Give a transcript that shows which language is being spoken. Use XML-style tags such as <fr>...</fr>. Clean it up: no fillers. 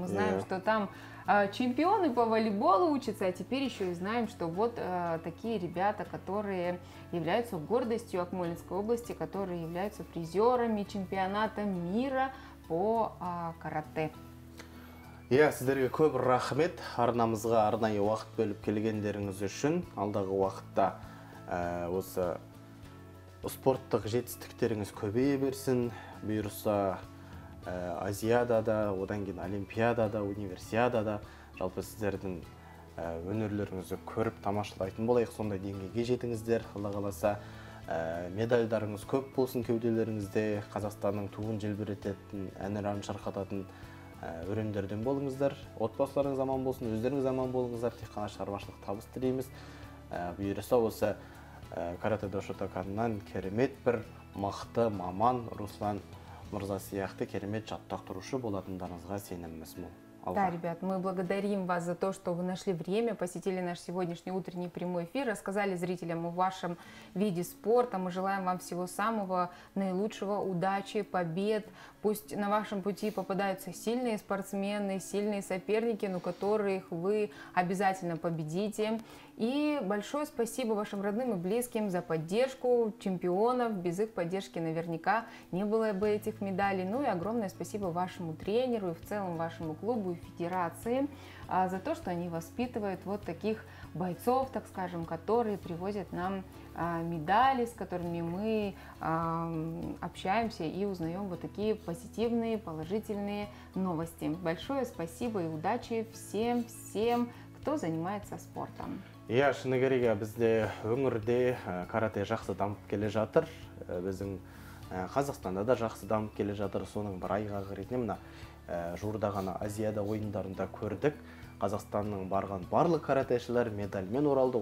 <ru>Мы знаем, что там чемпионы по волейболу учатся, а теперь еще и знаем, что вот такие ребята, которые являются гордостью Акмолинской области, которые являются призерами чемпионата мира по карате.</ru> <kk>Я сіздерге көп рахмет. Арнамызға арнайы уақыт бөліп келгендеріңіз үшін алдағы уақытта осы спорттық жетістіктеріңіз көбейе берсін, бұйырса Азиадада, одан кейін Олимпиадада, Универсиадада, жалпы сіздердің өнерлеріңізді көріп тамашалайтын болайық, сонда деңгейге жетіңіздер, Алла қаласа, медальдарыңыз көп болсын кеуделеріңізде, Қазақстанның туын желбірететін, әнұранын шырқататын өрендерден болыңыздар, отбасыларыңыз аман болсын, өздеріңіз аман болыңыздар, тек қана шығармашылық табыс тілейміз, бұйырса осы Каратэ Дошотоканнан керемет бір мықты маман Руслан Мырза сияқты керемет жаттықтырушы болатындарыңызға сеніміміз мол.</kk> <ru>Да, ребят, мы благодарим вас за то, что вы нашли время, посетили наш сегодняшний утренний прямой эфир, рассказали зрителям о вашем виде спорта. Мы желаем вам всего самого наилучшего, удачи, побед. Пусть на вашем пути попадаются сильные спортсмены, сильные соперники, но которых вы обязательно победите. И большое спасибо вашим родным и близким за поддержку чемпионов. Без их поддержки наверняка не было бы этих медалей. Ну и огромное спасибо вашему тренеру и в целом вашему клубу и федерации за то, что они воспитывают вот таких бойцов, так скажем, которые привозят нам медали, с которыми мы общаемся и узнаем вот такие позитивные, положительные новости. Большое спасибо и удачи всем, кто занимается спортом.</ru> <kk>Я шыны керек, бізде өңірде карате жақсы дамып келе жатыр. Біздің Қазақстанда да жақсы дамып келе жатыр. Соның бір айғағы ретінде мына жуырда ғана Азиада ойындарында көрдік. Қазақстанның барған барлық каратешілер медальмен оралды.</kk>